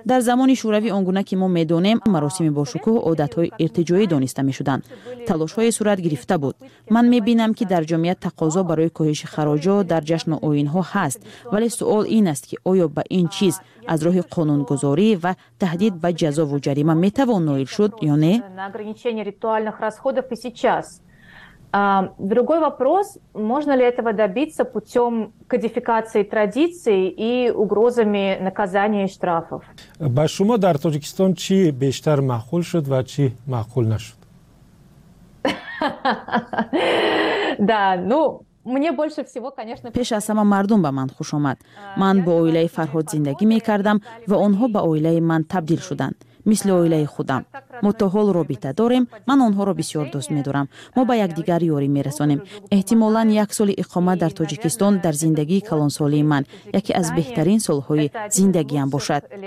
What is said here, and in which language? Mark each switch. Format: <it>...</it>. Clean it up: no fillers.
<tg>Дар замони шӯравӣ он гуна ки мо медонем, маросими бошукӯҳ одатҳои иртиҷоӣ донист мешуданд. Талошҳои сурат гирифта буд. Ман мебинам, ки дар ҷомеа тақозо барои коҳиши хароҷо дар ҷашну оинҳо ҳаст, вале суол ин аст, ки оё ба ин чиз аз роҳи қонунгузорӣ ва таҳдид ба ҷазову ҷарима метавон ноил шуд ё не?</tg> <ru>На ограничение ритуальных расходов и сейчас. Другой вопрос, можно ли этого добиться путём кодификации традиций и угрозами наказания и штрафов?</ru> <tg>Ба шумо дар Тоҷикистон чи бештар маҳқул шуд ва чи маҳқул нашуд?</tg> <ru>Да, ну, мне больше всего, конечно,</ru> <tg>пеш аз ҳама мардум ба ман хуш омад. Ман бо оилаи Фарҳод зиндагӣ мекардам ва онҳо ба оилаи ман табдил шуданд. Мисли оилаи худам. Мо то ҳол робита дорем, ман онҳоро бисёр дӯст медорам. Мо ба якдигар ёрӣ мерасонем. Эҳтимолан як соли иқомат дар Тоҷикистон дар зиндагии калонсолии ман яке аз беҳтарин солҳои зиндагиам бошад.</tg>